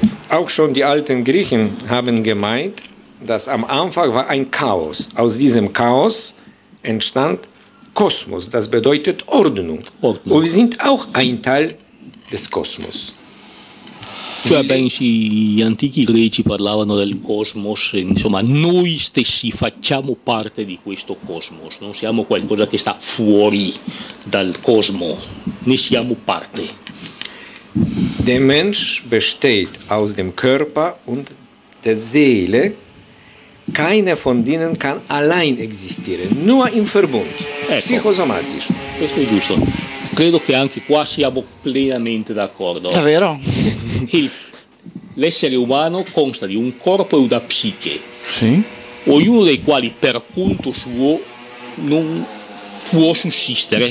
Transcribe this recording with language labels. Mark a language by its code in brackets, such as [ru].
[de] Auch schon die alten Griechen haben gemeint, dass am Anfang war ein Chaos. Aus diesem Chaos entstand Kosmos, das bedeutet Ordnung. Ordnung. Und wir sind auch ein Teil des Kosmos. Cioè, pensi, gli antichi greci parlavano del cosmos, insomma, noi stessi facciamo parte di questo cosmos, non siamo qualcosa che sta fuori dal cosmo, ne siamo parte. Der Mensch besteht aus dem Körper und der Seele. Keiner von denen kann allein existieren, nur im Verbund, [it] ecco. [de] Psychosomatisch. [it] Questo è giusto. Credo che anche qua siamo pienamente d'accordo. Davvero? L'essere umano consta di un corpo e una psiche. Sì. Ognuno dei quali, per conto suo, non può sussistere.